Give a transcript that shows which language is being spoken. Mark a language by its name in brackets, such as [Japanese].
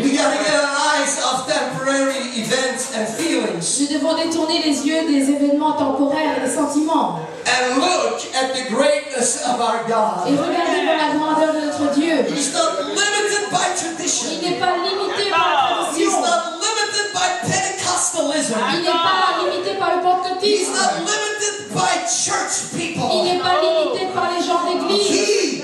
[English] We gotta get our eyes off temporary events and feelings. [French] Nous devons détourner les yeux des événements temporaires et des sentiments. [English] And look at the greatness of our God. [French] Et regardez pour la grandeur de notre Dieu. [English] He's not limited by tradition. [French] Il n'est pas limité par la tradition. [English] He's not limited by Pentecostalism. [French] Il n'est pas limité par le pentecôtisme. [English] He's not limited by church people. [French] Il n'est pas limité par les gens d'église.